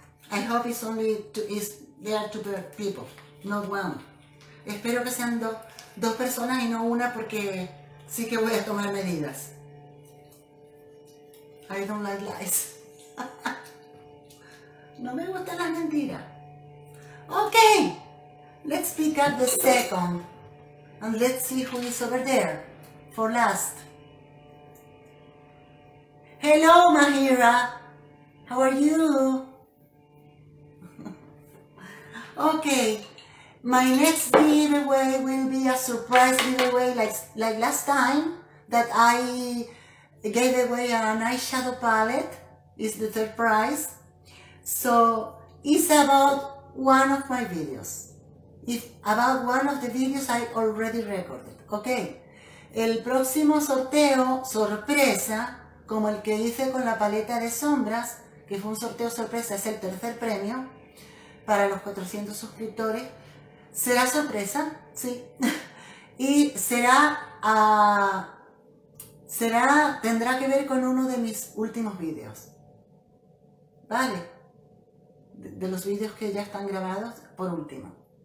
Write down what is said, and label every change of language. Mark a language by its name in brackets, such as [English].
[English] I hope it's only two, it's there two people, not one. [Spanish] Espero que sean dos personas y no una porque sí que voy a tomar medidas. [English] I don't like lies. [Spanish] No me gustan las mentiras. Ok. [English] Let's pick up the second, and let's see who is over there, for last. Hello, Mahira. How are you? Okay, my next giveaway will be a surprise giveaway like last time that I gave away an eyeshadow palette. It's the third prize. So, it's about one of my videos. If about one of the videos I already recorded, ok. [Spanish] El próximo sorteo sorpresa, como el que hice con la paleta de sombras, que fue un sorteo sorpresa, es el tercer premio para los 400 suscriptores, será sorpresa, sí, y tendrá que ver con uno de mis últimos videos, vale, de los videos que ya están grabados por último.